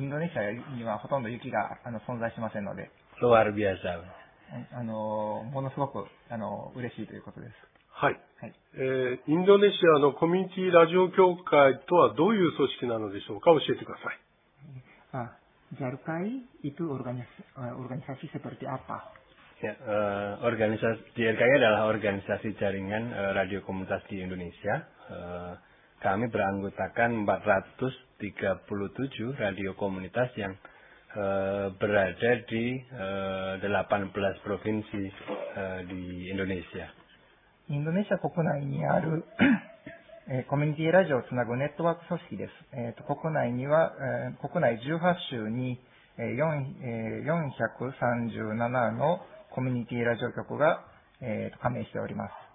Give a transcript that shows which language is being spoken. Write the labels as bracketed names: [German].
[Japanese] インドネシアにはほとんど雪が存在しませんので。 [Indonesian] Luar biasa. [Japanese] ものすごく嬉しいということです。はい、インドネシアのコミュニティラジオ協会とはどういう組織なのでしょうか。教えてください。 [Indonesian] JAL会 itu organisasi seperti apa? Organisasi JAL会 adalah organisasi jaringan radio komunitas di Indonesia. Kami beranggotakan 437 radio komunitas yang berada di 18 provinsi di Indonesia. [Japanese] インドネシア国内にあるコミュニティラジオをつなぐネットワーク組織です。国内には、国内18州に437のコミュニティラジオ局が加盟しております。